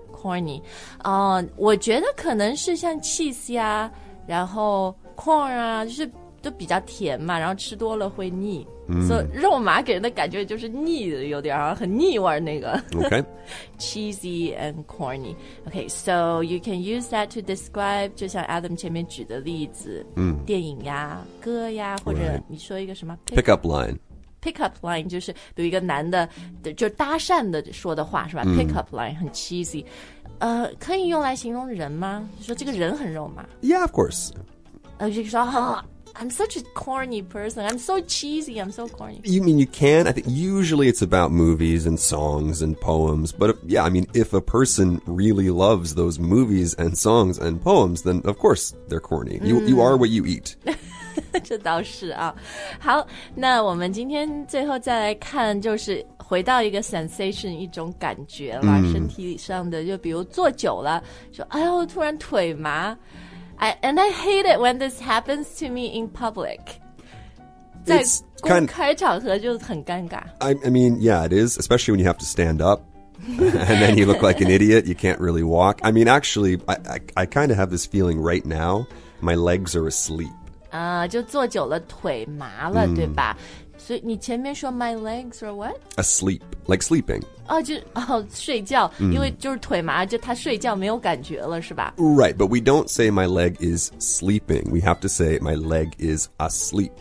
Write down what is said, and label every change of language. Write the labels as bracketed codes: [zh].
[zh] corny、我觉得可能是像 cheese 啊然后 corn 啊就是都比较甜嘛然后吃多了会腻所以、肉麻给人的感觉就是腻的有点很腻味那个 [en] okay cheesy and corny okay so you can use that to describe [zh] 就像 Adam 前面举的例子、电影呀歌呀或者你说一个什么、 [en] right. pick up lineP [zh] ick up line 就是有一个男的就搭讪的说的话是吧、pick up line 很 cheesy 可以用来形容人吗说这个人很肉吗 [en] yeah of course [zh] 就说、 [en] I'm such a corny person I'm so cheesy I'm so corny you mean you can I think usually it's about movies and songs and poems but if, yeah I mean if a person really loves those movies and songs and poems then of course they're corny、you are what you eat [zh] 这倒是啊好那我们今天最后再来看就是回到一个 sensation 一种感觉啦、身体上的就比如坐久了说哎呦突然腿麻 [en] And I hate it when this happens to me in public [zh] 在公开场合就很尴尬 [en] I mean yeah it is especially when you have to stand up and then you look like an idiot you can't really walk I mean actually I kind of have this feeling right now my legs are asleep [zh] 就坐久了腿麻了、对吧所以你前面说 [en] my legs are what? Asleep, like sleeping [zh] 睡觉、因为就是腿麻就他睡觉没有感觉了是吧 [en] Right, but we don't say my leg is sleeping We have to say my leg is asleep